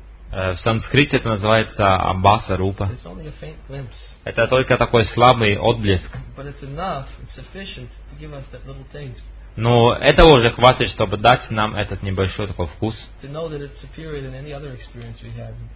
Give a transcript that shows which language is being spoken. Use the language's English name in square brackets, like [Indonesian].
[Russian] В санскрите это называется Абаса Рупа. [English] It's only a faint glimpse. [Russian] Это только такой слабый отблеск. [English] But it's enough, it's sufficient to give us that little taste. [Russian] Но этого уже хватит, чтобы дать нам этот небольшой такой вкус. [English] To know that it's superior than any other experience we have.